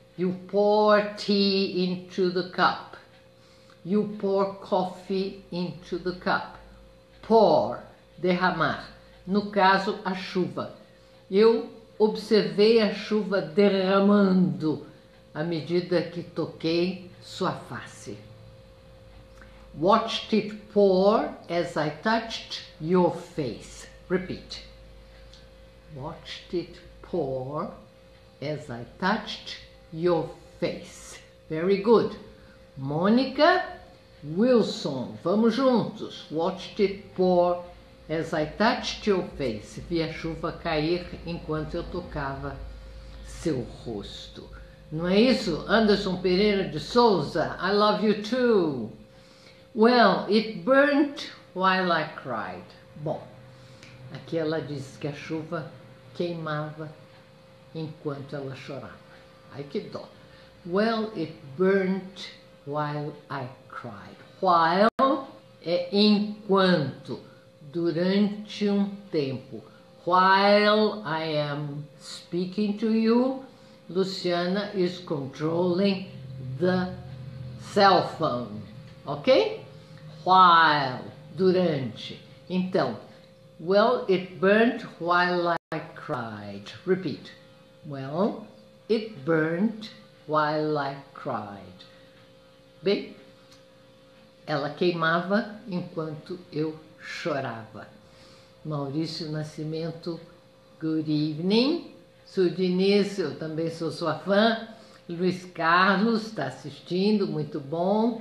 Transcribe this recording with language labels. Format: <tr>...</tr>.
<en>You pour tea into the cup. You pour coffee into the cup.</en> <pt>Pour, derramar. No caso, a chuva. Eu observei a chuva derramando à medida que toquei sua face.</pt> <en>Watched it pour as I touched your face. Repeat. Watched it pour as I touched your face. Very good.</en> <pt>Mônica Wilson. Vamos juntos.</pt> <en>Watched it pour as I touched your face.</en> <pt>Vi a chuva cair enquanto eu tocava seu rosto. Não é isso?</pt> <en>Anderson Pereira de Souza. I love you too. Well, it burnt while I cried.</en> <pt>Bom, aqui ela diz que a chuva queimava enquanto ela chorava. Ai, que dó.</pt> <en>Well, it burnt while I cried.</en> <pt>While é enquanto, durante um tempo.</pt> <en>While I am speaking to you, Luciana is controlling the cell phone. Ok? While,</en> <pt>durante. Então,</pt> <en>well, it burnt while I cried. Repeat. Well, it burnt while I cried.</en> <pt>Bem, ela queimava enquanto eu chorava.</pt> <en>Maurício Nascimento, good evening.</en> <pt>Sudinice, eu também sou sua fã. Luiz Carlos está assistindo, muito bom.</pt>